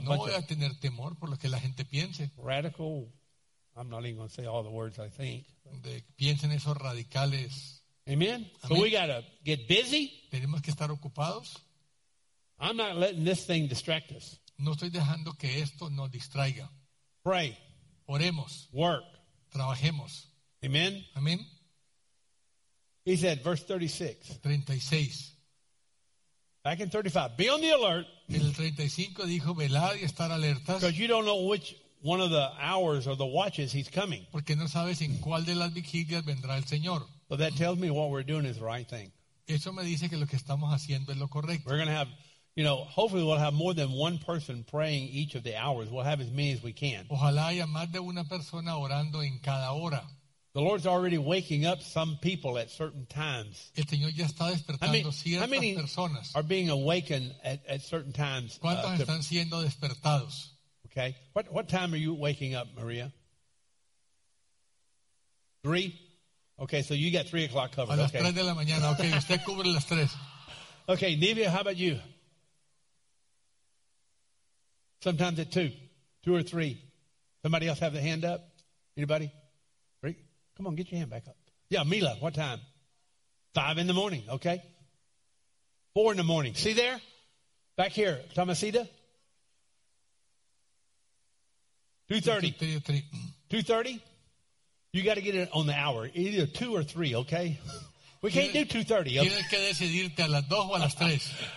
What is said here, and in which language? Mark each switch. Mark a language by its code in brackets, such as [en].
[es] bunch. No voy a tener temor por lo que la gente piense. [en] Radical. I'm not even going to say all the words I think. [es] De piensen esos radicales. [en] Amen. So we got to get busy. [es] Tenemos que estar ocupados. [en] I'm not letting this thing distract us. [es] No estoy dejando que esto nos distraiga. [en] Pray. [es] Oremos. [en] Work. [es] Trabajemos. [en] Amen. Amen. He said, verse 36. [es] 36. [en] Back in 35. Be on the alert. [es] En el 35 dijo, velad y estar alertas. [en] Because you don't know which one of the hours or the watches he's coming. [es] Porque no sabes en cuál de las vigilias vendrá el Señor. [en] But that tells me what we're doing is the right thing. [es] Eso me dice que lo que estamos haciendo es lo correcto. [en] We're going to have... You know, hopefully we'll have more than one person praying each of the hours. We'll have as many as we can. [es] Ojalá haya más de una persona orando en cada hora. [en] The Lord's already waking up some people at certain times. [es] El Señor ya está despertando ciertas personas. [en] How many are being awakened at certain times? [es] ¿Cuántos están siendo despertados? [en] Okay. What time are you waking up, Maria? 3? Okay, so you got 3 o'clock covered. [es] A las 3 de la mañana. Okay, usted cubre las 3. [en] Okay, Nivea, how about you? Sometimes at 2 or 3. Somebody else have their hand up? Anybody? Three? Come on, get your hand back up. Yeah, Mila, what time? 5 a.m, okay. 4 a.m. See there? Back here, Tomasita? 2:30. You got to get it on the hour. Either 2 or 3, okay? We can't do 2:30. [es] Tienes que decidirte a las 2 o a las 3.